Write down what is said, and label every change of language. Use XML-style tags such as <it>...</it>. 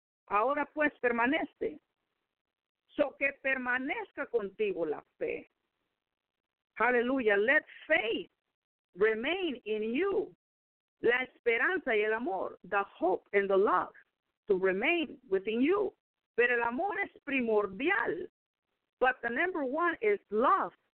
<es>Ahora pues permanece. So que permanezca contigo la fe. Hallelujah.</es> <en>Let faith remain in you.</en> <es>La esperanza y el amor,</es> <en>the hope and the love to remain within you.</en> <es>Pero el amor es primordial.</es> <en>But the number one is love.</en>